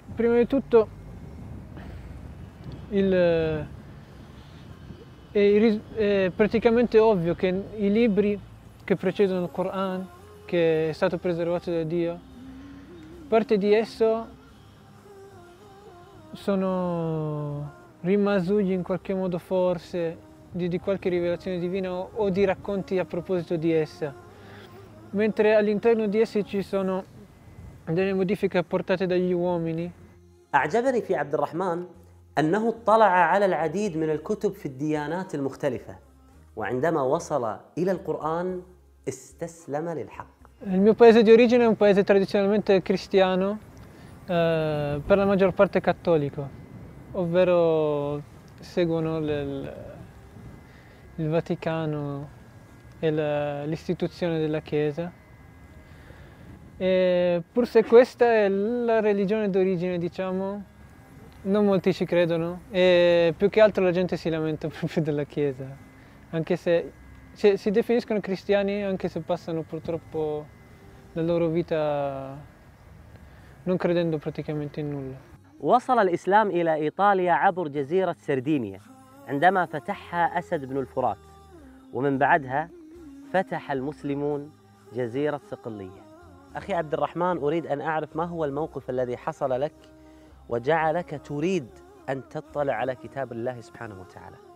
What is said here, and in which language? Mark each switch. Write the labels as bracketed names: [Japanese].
[Italian] Prima di tutto è praticamente ovvio che i libri che precedono il Coran, che è stato preservato da Dio, parte di esso sono rimasugli in qualche modo forse di qualche rivelazione divina o di racconti a proposito di essa. Mentre all'interno di essi ci sono delle modifiche apportate dagli uomini. [Arabic] أعجبني في عبد الرحمن أنه اطلع على العديد من الكتب في الديانات المختلفة، وعندما وصل إلى القرآن استسلم للحق. [Italian] Il mio paese di origine è un paese tradizionalmente cristiano, per la maggior parte cattolico, ovvero seguono il Vaticano e l'istituzione della Chiesa. E pur se questa è la religione d'origine, diciamo, non molti ci credono e più che altro la gente si lamenta proprio della Chiesa, anche se si definiscono cristiani, anche se passano purtroppo la loro vita non credendo praticamente in nulla. [Arabic] وصل الإسلام إلى إيطاليا عبر جزيرة سردينيا عندما فتحها أسد بن الفرات، ومن بعدها فتح المسلمون جزيرة صقلية. أخي عبد الرحمن، أريد أن أعرف ما هو الموقف الذي حصل لك وجعلك تريد أن تطلع على كتاب الله سبحانه وتعالى؟